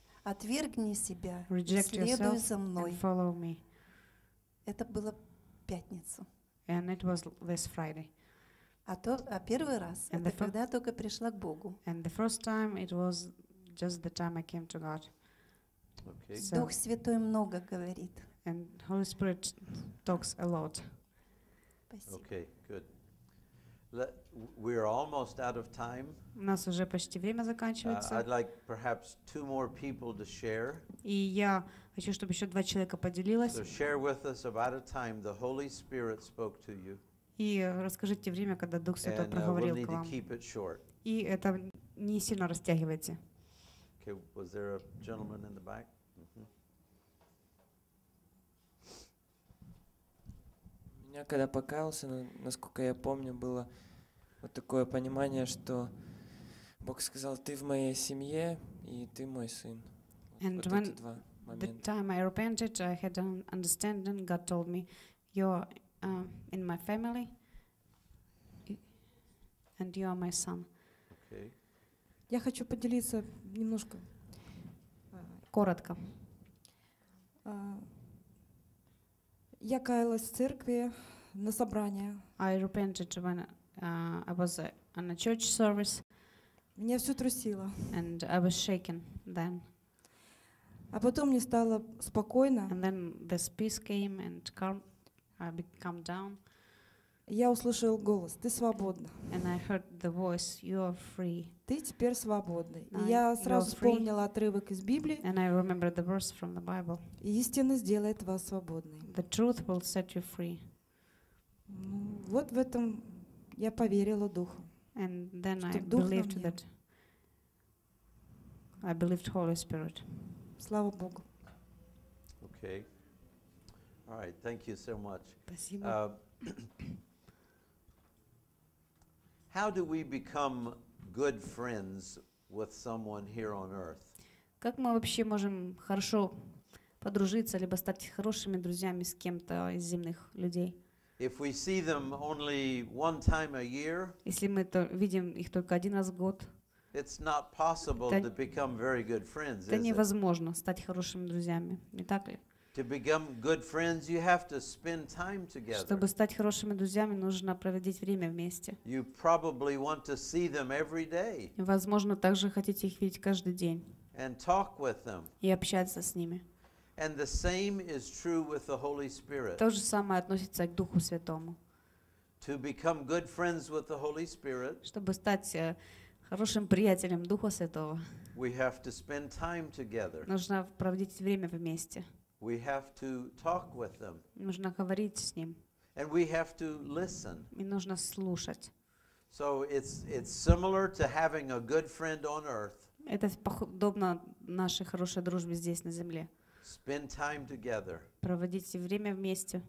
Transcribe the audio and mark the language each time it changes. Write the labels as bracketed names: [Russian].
[Russian] Отвергни себя, следуй за мной. [English] And follow me. [Russian] Это было пятницу. [English] And it was this Friday. [Russian] А первый раз, [English] and [Russian] это когда я только пришла к Богу. [English] And the first time, it was just the time I came to God. Okay. So [Russian] Дух Святой много говорит. [English] And Holy Spirit talks a lot. [Russian] Спасибо. [English] Okay, good. We're almost out of time. [Russian] У нас уже почти время заканчивается. [English] I'd like perhaps two more people to share. [Russian] И я хочу, чтобы еще два человека поделилось. [English] So share with us about a time the Holy Spirit spoke to you. [Russian] И расскажите время, когда Дух Святой проговорил к вам. [English] And we'll need to keep it short. [Russian] И это не сильно растягивайте. [English] Okay, was there a gentleman in the back? [Russian] Я когда покаялся, насколько я помню, было вот такое понимание, что Бог сказал: ты в моей семье и ты мой сын. [English] And [Russian] вот [English] when [Russian] эти два момента. [English] The time I repented, I had an understanding. God told me, you're in my family and you are my son. Okay. [Russian] Я хочу поделиться немножко коротко. Я каялась в церкви на собрание. [English] I repented when I was on a church service. [Russian] Меня все трусило. [English] And I was shaken then. [Russian] А потом мне стало спокойно. [English] And then this peace came and calmed down. [Russian] Я услышал голос: ты свободна. [English] And I heard the voice: you are free. [Russian] Ты теперь свободна. Я сразу вспомнила отрывок из Библии. [English] And I remember the verse from the Bible. [Russian] Истина сделает вас свободной. [English] The truth will set you free. [Russian] Ну, вот в этом я поверила Духу. [English] And then I believed that. I believed Holy Spirit. [Russian] Слава Богу. [English] Okay. All right. Thank you so much. [Russian] Спасибо. [English] How do we become good friends with someone here on earth? [Russian] Как мы вообще можем хорошо подружиться либо стать хорошими друзьями с кем-то из земных людей? [English] If we see them only one time a year, [Russian] если мы видим их только один раз в год, [English] it's not possible to become very good friends, is it? [Russian] Это невозможно стать хорошими друзьями, не так ли? [English] To become good friends, you have to spend time together. [Russian] Чтобы стать хорошими друзьями, нужно проводить время вместе. [English] You probably want to see them every day. [Russian] Возможно, также хотите их видеть каждый день. [English] And talk with them. [Russian] И общаться с ними. [English] And the same is true with the Holy Spirit. [Russian] То же самое относится к Духу Святому. [English] To become good friends with the Holy Spirit. [Russian] Чтобы стать хорошим приятелем Духа Святого. [English] We have to spend time together. [Russian] Нужно проводить время вместе. [English] We have to talk with them. [Russian] Нужно говорить с ним. [English] And we have to listen. [Russian] И нужно слушать. [English] So it's similar to having a good friend on earth. [Russian] Это подобно нашей хорошей дружбе здесь на земле. [English] Spend time together. [Russian] Проводите время вместе.